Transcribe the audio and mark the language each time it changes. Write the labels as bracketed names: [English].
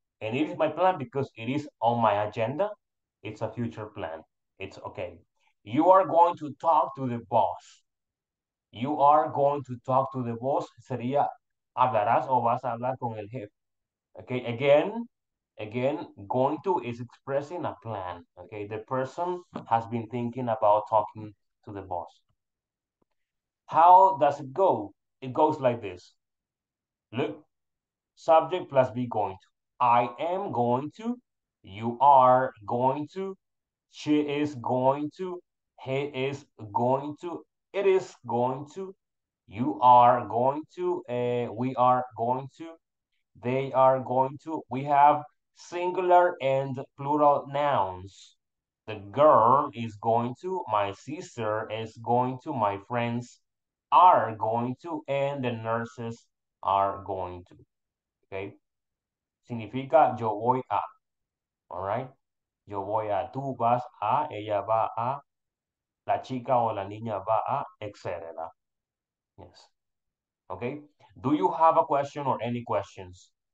[English] And it is my plan because it is on my agenda. It's a future plan. It's okay. You are going to talk to the boss. You are going to talk to the boss. [Spanish] Sería hablarás o vas a hablar con el jefe. [English] Okay, again, going to is expressing a plan. Okay, the person has been thinking about talking to the boss. How does it go? It goes like this. Look, subject plus be going to. I am going to, you are going to, she is going to, he is going to, it is going to, you are going to, we are going to, they are going to. We have singular and plural nouns. The girl is going to, my sister is going to, my friends are going to, and the nurses are going to. [Spanish] Okay? Significa yo voy a. [English] All right? [Spanish] Yo voy a, tú vas a, ella va a, la chica o la niña va a, etc. [English] Yes. Okay? Do you have a question or any questions?